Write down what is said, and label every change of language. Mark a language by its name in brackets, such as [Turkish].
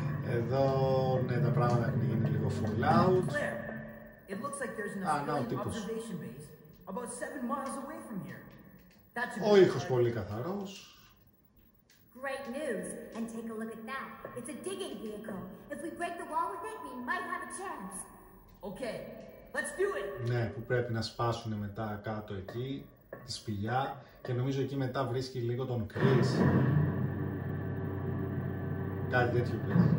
[Greek] Εδώ, ναι, τα πράγματα είναι λίγο Fallout. [English] It looks like there's an observation base about 7 miles away from here. That's [Greek] ο ήχος πολύ καθαρός. [English] Great news! And take a look at that. It's a digging vehicle. If we break the wall with it, we might have a chance. Okay, let's do it. [Greek] Ναι, που πρέπει να σπάσουν μετά κάτω εκεί τη σπηλιά και νομίζω εκεί μετά βρίσκει λίγο τον Chris. Κάτι τέτοιο πες.